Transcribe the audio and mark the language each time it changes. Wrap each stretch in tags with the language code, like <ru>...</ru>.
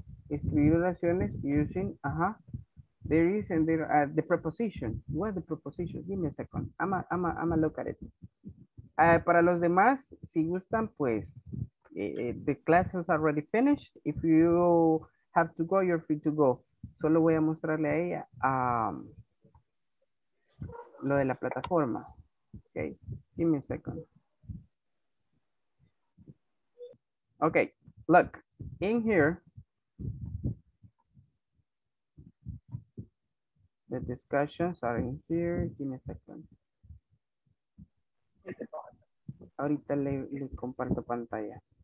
<es>Escribir oraciones</es> <en>using, there is and there are the preposition. What the preposition? Give me a second. I'm a look at it.</en> <es>Para los demás, si gustan, pues,</es> <en>the class has already finished. If you have to go, you're free to go.</en> <es>Solo voy a mostrarle a ella lo de la plataforma.</es> <en>Okay, give me a second. Okay, look, in here, the discussions are in here. Give me a second.</en> <es>Ahorita le comparto pantalla.</es>